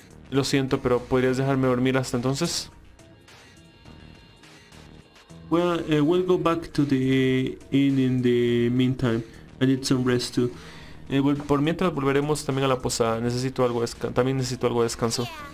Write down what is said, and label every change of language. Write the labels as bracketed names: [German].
[Spanish] Lo siento, pero ¿podrías dejarme dormir hasta entonces? [English] Well, we'll go back to the inn in the meantime. I need some rest too. [Spanish] Por mientras volveremos también a la posada. Necesito algo de también necesito algo de descanso.